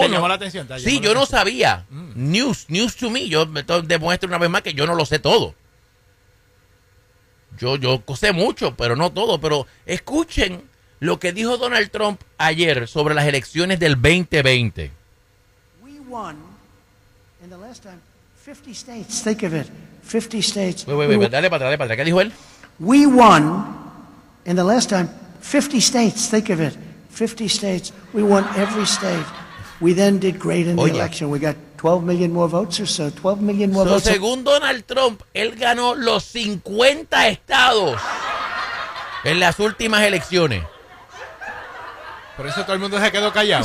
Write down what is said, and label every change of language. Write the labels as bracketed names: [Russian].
[Spanish] ¿Te llamó la atención? No sabía. [English] News to me. [Spanish] Yo demuestro una vez más que yo no lo sé todo. Yo sé mucho, pero no todo. Pero escuchen lo que dijo Donald Trump ayer sobre las elecciones del 2020. [English] We won, in the last time, 50 states. Think of it, 50 states. [Spanish] Wait, dale para atrás. ¿Qué dijo él? [English] We won... In the last time, 50 states, think of it, 50 states, we won every state. We then did great in the election. We got 12 million more votes or so, 12 million more votes. [Spanish] Según Donald Trump, él ganó los 50 estados en las últimas elecciones. Por eso todo el mundo se quedó callado.